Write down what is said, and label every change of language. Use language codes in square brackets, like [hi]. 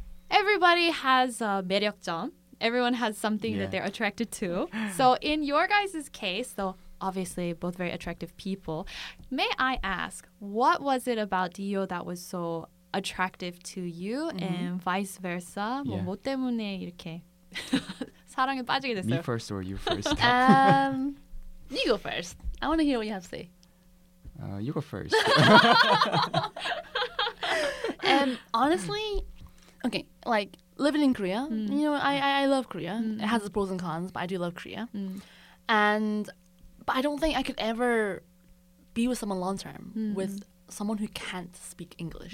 [en] Everybody has a 매력점. Everyone has something that they're attracted to. So in your guys' case, though, obviously both very attractive people, may I ask, what was it about Dio that was so attractive to you, and vice versa? Yeah. [ko] 뭐 때문에 이렇게 사랑에 빠지게 됐어요? [en] Me first or you first? you go first. I want to hear what you have to say. You go first. honestly, okay, like, living in Korea, you know, I love Korea. Mm. It has its pros and cons, but I do love Korea. Mm. But I don't think I could ever be with someone long term with someone who can't speak English.